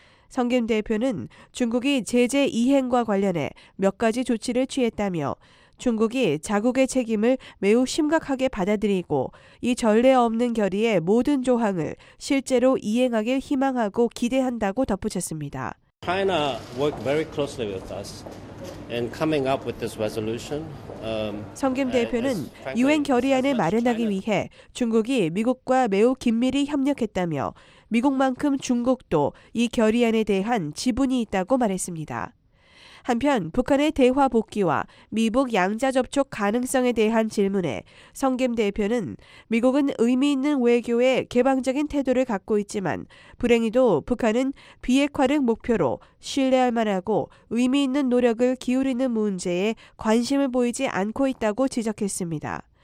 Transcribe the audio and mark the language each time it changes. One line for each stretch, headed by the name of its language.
Korean: 성김 대표는 중국이 제재 이행과 관련해 몇 가지 조치를 취했다며 중국이 자국의 책임을 매우 심각하게 받아들이고 이 전례 없는 결의의 모든 조항을 실제로 이행하길 희망하고 기대한다고 덧붙였습니다.
English: China worked very closely with us in coming up with this resolution.
Korean: 성김 대표는 유엔 결의안을 마련하기 위해 중국이 미국과 매우 긴밀히 협력했다며 미국만큼 중국도 이 결의안에 대한 지분이 있다고 말했습니다. 한편 북한의 대화 복귀와 미북 양자 접촉 가능성에 대한 질문에 성김 대표는 미국은 의미 있는 외교에 개방적인 태도를 갖고 있지만 불행히도 북한은 비핵화를 목표로 신뢰할 만하고 의미 있는 노력을 기울이는 문제에 관심을 보이지 않고 있다고 지적했습니다.